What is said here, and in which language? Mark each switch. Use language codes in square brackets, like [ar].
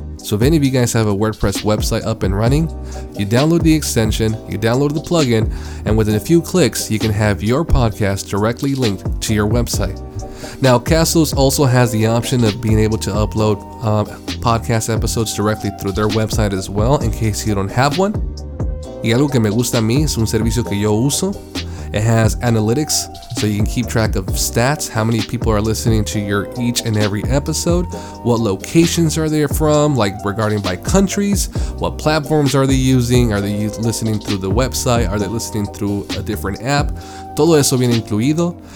[en] So if any of you guys have a WordPress website up and running, you download the extension, you download the plugin, and within a few clicks, you can have your podcast directly linked to your website. Now, Castos also has the option of being able to upload podcast episodes directly through their website as well, in case you don't have one. [es] Y algo que me gusta a mí es un servicio que yo uso. [en] It has analytics, so you can keep track of stats, how many people are listening to your each and every episode, what locations are they from, like regarding by countries, what platforms are they using, are they listening through the website, are they listening through a different app, [es] todo eso viene incluido.